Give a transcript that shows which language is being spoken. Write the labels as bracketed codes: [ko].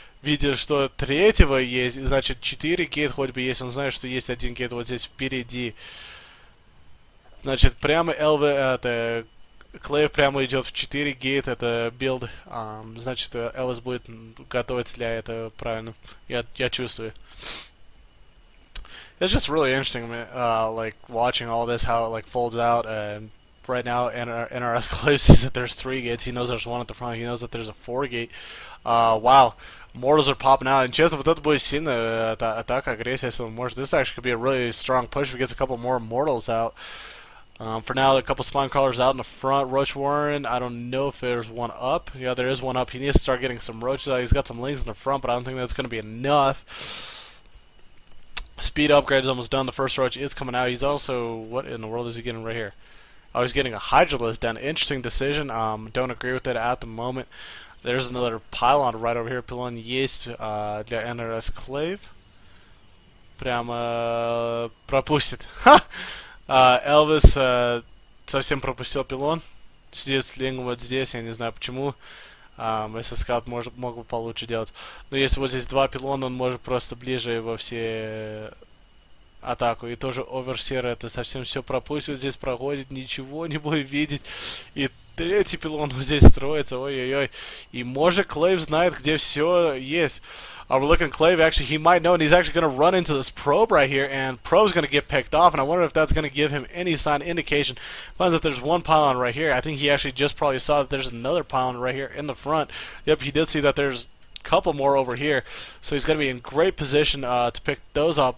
[ru] Видя, что третьего есть, значит, 4 гейт хоть бы есть. Он знает, что есть один гейт вот здесь впереди. Значит, прямо ЛВ, это Клейв прямо идет в 4 гейт, это билд. Значит, ЛВС будет готовиться для этого, правильно. Я чувствую. [en] It's just really interesting, like, watching all this, how it, like, folds out. Right now, NRS Clay sees that there's 3 gates. He knows there's one at the front. He knows that there's a 4 gate. Wow. Mortals are popping out. [ru] And честно, вот это будет сильная атака, агрессия. [en] So, [ru] может, [en] this actually could be a really strong push if he gets a couple more mortals out. For now, a couple spawn crawlers out in the front. Roach Warren. I don't know if there's one up. Yeah, there is one up. He needs to start getting some roaches out. He's got some lings in the front, but I don't think that's going to be enough. Speed upgrade is almost done. The first roach is coming out. He's also. What in the world is he getting right here? I was getting a Hydralis down. Interesting decision. Don't agree with it at the moment. There's another pylon right over here. Pylon [ru] есть для [en] NRS Clave. [ru] Прямо пропустит. Ха! Элвис совсем пропустил пилон. Сидит с лингом вот здесь. Я не знаю почему. Если скаут мог бы получше делать. Но если вот здесь два пилона, он может просто ближе во все атаку. И тоже оверсер это совсем все пропустит. Здесь проходит, ничего не будет видеть. И третий пилон вот здесь строится. Ой-ой-ой. И может Клейв знает, где все есть. [en] Are we looking at Клейв? Actually, he might know, and he's actually gonna run into this probe right here, and probe's gonna get picked off, and I wonder if that's gonna give him any sign, indication. Finds that there's one pylon right here. I think he actually just probably saw that there's another pylon right here in the front. Yep, he did see that there's couple more over here, so he's gonna be in great position to pick those up.